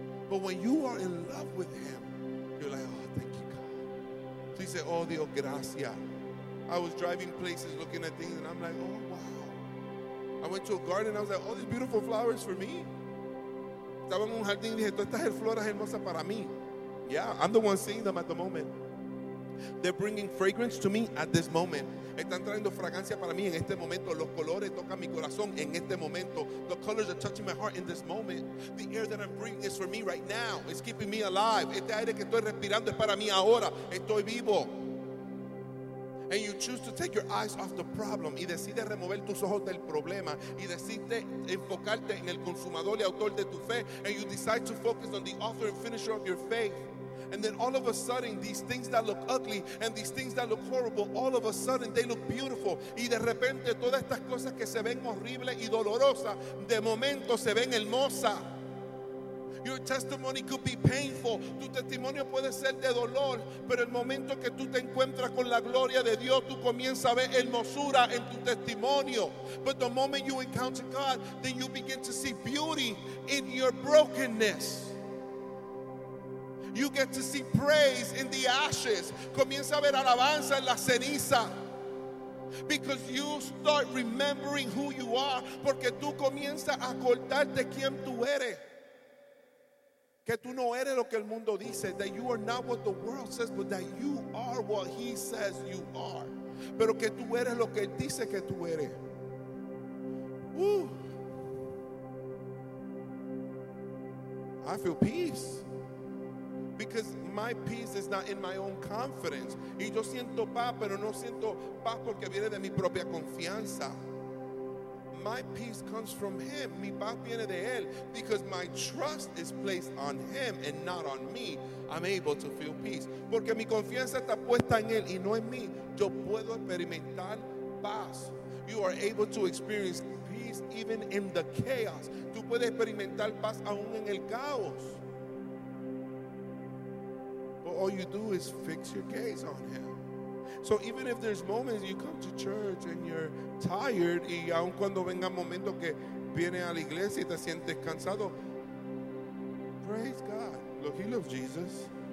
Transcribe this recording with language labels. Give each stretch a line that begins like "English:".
English: But when you are in love with him, you're like, oh, thank you, God. So you say, oh,
Spanish: Dios, gracias.
English: I was driving places looking at things, and I'm like, oh, wow. I went to a garden. I was like, oh, these beautiful flowers for me.
Spanish: Estaba en un jardín y dije, todas estas flores hermosas para mí.
English: Yeah, I'm the one seeing them at the moment. They're bringing fragrance to me at this moment.
Spanish: Están trayendo fragancia para mí en este momento. Los colores tocan mi corazón en este momento.
English: The colors are touching my heart in this moment. The air that I'm breathing is for me right now. It's keeping me alive.
Spanish: Este aire que estoy respirando es para mí ahora. Estoy vivo.
English: And you choose to take your eyes off the problem.
Spanish: Y decides remover tus ojos del problema. Y decides enfocarte en el consumador y autor de tu fe.
English: And you decide to focus on the author and finisher of your faith. And then all of a sudden, these things that look ugly and these things that look horrible, all of a sudden, they look beautiful.
Spanish: Y de repente, todas estas cosas que se ven horribles y dolorosas, de momento se ven hermosas.
English: Your testimony could be painful.
Spanish: Tu testimonio puede ser de dolor, pero el momento que tú te encuentras con la gloria de Dios, tú comienzas a ver hermosura en tu testimonio.
English: But the moment you encounter God, then you begin to see beauty in your brokenness. You get to see praise in the ashes.
Spanish: Comienza a ver alabanza en la ceniza.
English: Because you start remembering who you are.
Spanish: Porque tú comienzas a acordarte quién tú eres. Que tú no eres lo que el mundo dice.
English: That you are not what the world says, but that you are what he says you are.
Spanish: Pero que tú eres lo que él dice que tú eres. Woo.
English: I feel peace. Because my peace is not in my own confidence.
Spanish: Y yo siento paz, pero no siento paz porque viene de mi propia confianza.
English: My peace comes from him.
Spanish: Mi paz viene de él.
English: Because my trust is placed on him and not on me. I'm able to feel peace.
Spanish: Porque mi confianza está puesta en él y no en mí. Yo puedo experimentar paz.
English: You are able to experience peace even in the chaos.
Spanish: Tú puedes experimentar paz aún en el caos.
English: But all you do is fix your gaze on him. So even if there's moments you come to church and you're tired,
Spanish: y aun cuando venga momento que viene a la iglesia y te sientes cansado,
English: praise God. Look, he loves Jesus.